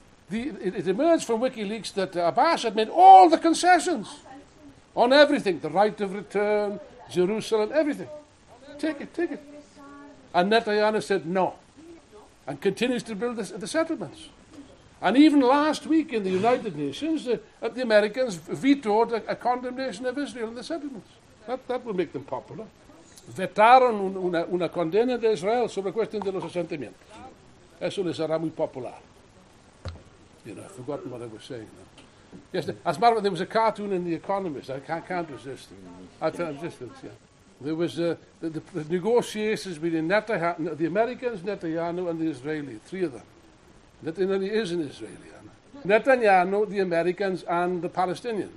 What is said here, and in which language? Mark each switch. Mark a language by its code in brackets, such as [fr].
[en] It emerged from WikiLeaks that Abbas had made all the concessions on everything, the right of return, Jerusalem, everything. Take it. And Netanyahu said no, and continues to build the settlements. And even last week in the United Nations, the Americans vetoed a condemnation of Israel in the settlements. That will make them popular. [es] Vetaron una condena de Israel sobre cuestión de los asentamientos. Eso les hará muy popular. [en] I've forgotten what I was saying. No? Yes, as a matter of fact, there was a cartoon in The Economist. I can't resist it. I can't resist it, yeah. There was the negotiations between the Americans, Netanyahu, and the Israeli, three of them. Netanyahu is an Israeli. Netanyahu, the Americans, and the Palestinians.